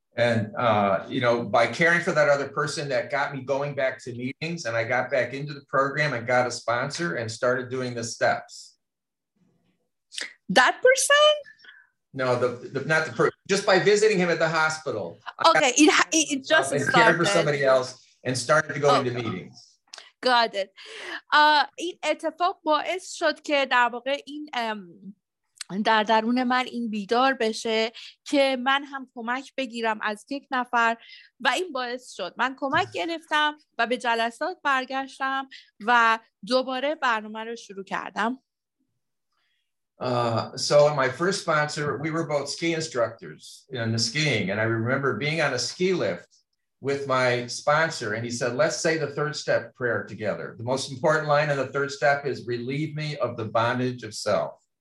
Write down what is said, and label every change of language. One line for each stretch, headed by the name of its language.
English: And, you know, by caring for that other person that got me going back to meetings and I got back into the program and got a sponsor and started doing the steps. That person? No, just by visiting him at the hospital. Okay, it just and started. Cared for somebody else and started to go into meetings. Got it.
Persian: این اتفاق باعث شد که در واقع این در درون من این بیدار بشه که من هم کمک بگیرم از یک نفر و این باعث شد من کمک گرفتم و به جلسات برگشتم و دوباره برنامه رو شروع کردم.
English: So my first sponsor, we were both ski instructors in the skiing and I remember being on a ski lift with my sponsor and he said, let's say the third step prayer together. The most important line in the third step is relieve me of the bondage of self.